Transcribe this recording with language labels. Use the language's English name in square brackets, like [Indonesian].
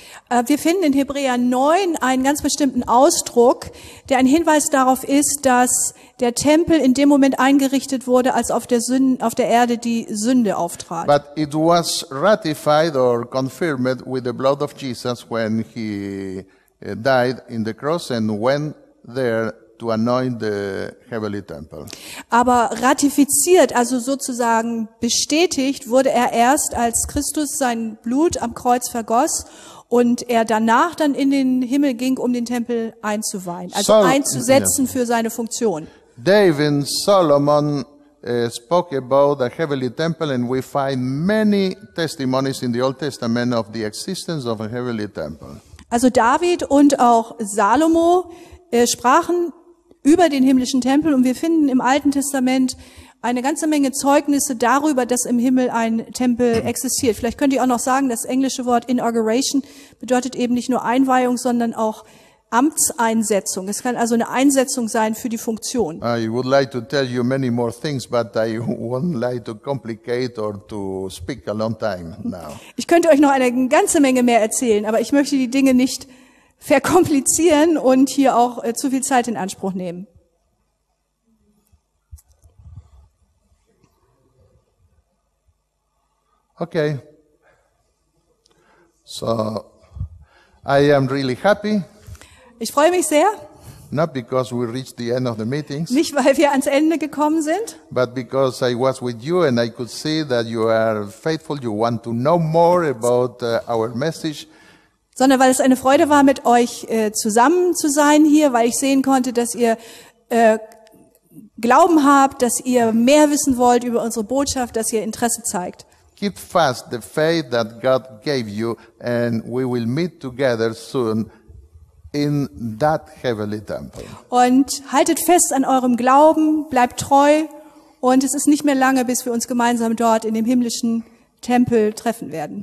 [German] Wir finden in Hebräer 9 einen ganz bestimmten Ausdruck, der ein Hinweis darauf ist, dass der Tempel in dem Moment eingerichtet wurde, als auf der Erde die Sünde auftrat. [English] But it was ratified or confirmed with the blood of Jesus when he died in the cross and went there to anoint the heavenly temple. [German] Aber ratifiziert, also sozusagen bestätigt, wurde er erst, als Christus sein Blut am Kreuz vergoss und er danach dann in den Himmel ging, um den Tempel einzuweihen, also einzusetzen für seine Funktion. [English] David Solomon spoke about the heavenly temple, and we find many testimonies in the Old Testament of the existence of a heavenly temple. [German] Also David und auch Salomo sprachen über den himmlischen Tempel, und wir finden im Alten Testament eine ganze Menge Zeugnisse darüber, dass im Himmel ein Tempel existiert. Vielleicht könnt ihr auch noch sagen, das englische Wort inauguration bedeutet eben nicht nur Einweihung, sondern auch Amtseinsetzung. Es kann also eine Einsetzung sein für die Funktion. [English] I would like to tell you many more things, but I wouldn't like to complicate or to speak a long time now. [German] Ich könnte euch noch eine ganze Menge mehr erzählen, aber ich möchte die Dinge nicht verkomplizieren und hier auch zu viel Zeit in Anspruch nehmen. [English] Okay. So, I am really happy. [German] Ich freue mich sehr. [English] Not because we reached the end of the meetings. [German] Nicht weil wir ans Ende gekommen sind. [English] But because I was with you and I could see that you are faithful. You want to know more about our message. [German] Sondern weil es eine Freude war, mit euch zusammen zu sein hier, weil ich sehen konnte, dass ihr Glauben habt, dass ihr mehr wissen wollt über unsere Botschaft, dass ihr Interesse zeigt. [English] Keep fast the faith that God gave you, and we will meet together soon in that heavenly temple. [German] Und haltet fest an eurem Glauben, bleibt treu, und es ist nicht mehr lange, bis wir uns gemeinsam dort in dem himmlischen Tempel treffen werden.